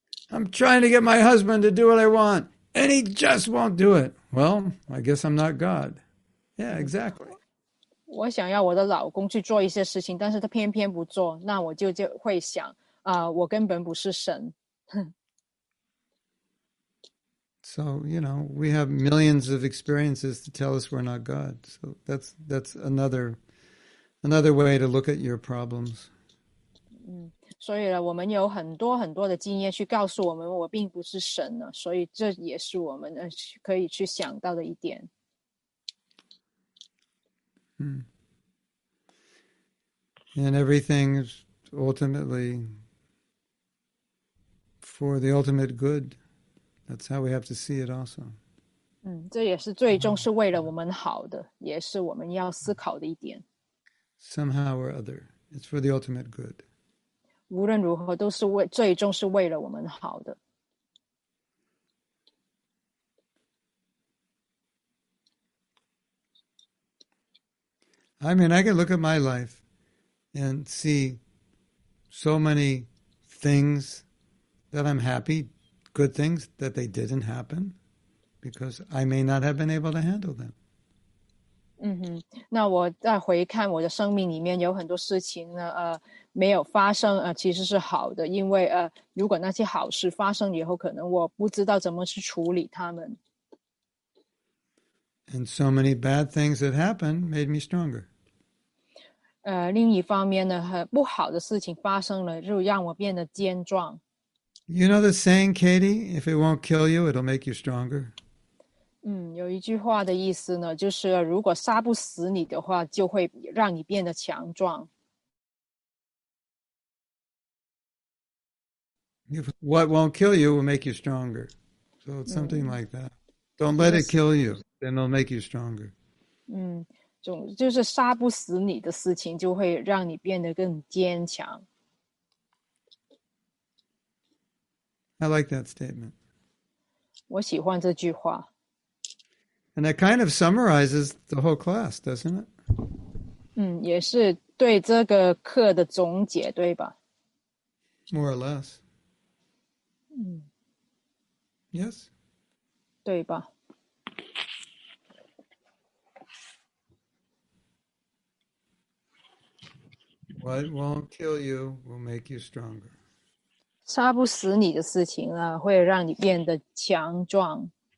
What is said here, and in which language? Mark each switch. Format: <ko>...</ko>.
<en>I'm trying to get my husband to do what I want, and he just won't do it. Well, I guess I'm not God. Yeah, exactly.</en> <zh>我想要我的老公去做一些事情，但是他偏偏不做，那我就会想，我根本不是神。</zh> <en>So, you know, we have millions of experiences to tell us we're not God. So that's another way to look at your problems.</en> <zh>所以呢，我们有很多很多的经验去告诉我们，我并不是神呢，所以这也是我们可以去想到的一点。</zh> <en>And everything is ultimately for the ultimate good. That's how we have to see it also.</en> <zh>这也是最终是为了我们好的，也是我们要思考的一点。</zh> <en>Somehow or other, it's for the ultimate good.</en> <zh>无论如何都是为，最终是为了我们好的。</zh> <en>I mean, I can look at my life and see so many things that I'm happy, good things that they didn't happen because I may not have been able to handle them.</en> <zh>那我再回看我的生命里面有很多事情呢没有发生其实是好的，因为如果那些好事发生以后可能我不知道怎么去处理他们。</zh> <en>And so many bad things that happened made me stronger.</en> <zh>另一方面呢，很不好的事情发生了，就让我变得坚壮。</zh> <en>You know the saying, Katie, if it won't kill you, it'll make you stronger.</en> <zh>有一句话的意思呢，就是如果杀不死你的话，就会让你变得强壮。</zh> <en>If what won't kill you will make you stronger. So it's something like that. Don't let it kill you. Then it'll make you stronger.</en> <zh>就是杀不死你的事情就会让你变得更坚强。</zh> <en>I like that statement.</en> <zh>我喜欢这句话。</zh> <en>And that kind of summarizes the whole class, doesn't it?</en> <zh>也是对这个课的总结，对吧？</zh> <en>More or less. Yes?</en> <zh>对吧？</zh> <en>What won't kill you will make you stronger.</en> <zh>杀不死你的事情啊，会让你变得强壮。</zh>